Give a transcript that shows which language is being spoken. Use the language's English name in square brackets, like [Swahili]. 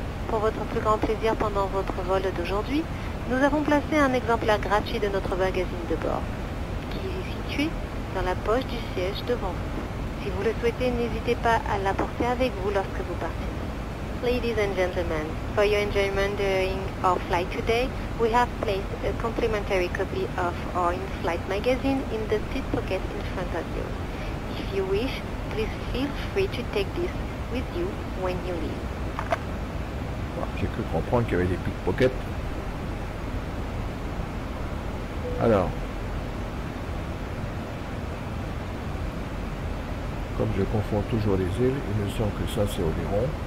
[French] Pour votre plus grand plaisir pendant votre vol d'aujourd'hui, nous avons placé un exemplaire gratuit de notre magazine de bord, qui est situé dans la poche du siège devant vous. Si vous le souhaitez, n'hésitez pas à l'apporter avec vous lorsque vous partez. [English] Ladies and gentlemen, for your enjoyment during our flight today, we have placed a complimentary copy of our in-flight magazine in the seat pocket in front of you. If you wish, please feel free to take this with you when you leave. [French] J'ai cru comprendre qu'il y avait des pickpockets. Alors, comme je confonds toujours les îles, il me semble que ça c'est Oléron.